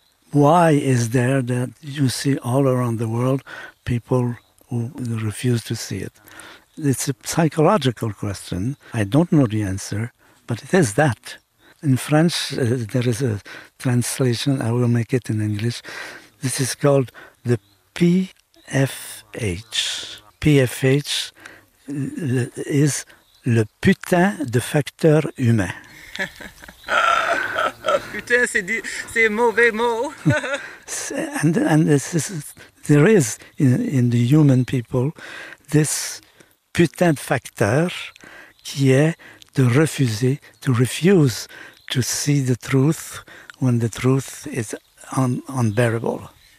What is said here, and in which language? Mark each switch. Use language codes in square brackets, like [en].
[en] Why is there that you see all around the world people who refuse to see it? It's a psychological question. I don't know the answer, but it is that. In French, there is a translation. I will make it in English. This is called the PFH. [fr] PFH is le putain de facteur humain. Putain, c'est mauvais mot. [en] and this is, there is in the human people this [fr] putain de facteur qui est [en] to refuse to see the truth when the truth is unbearable.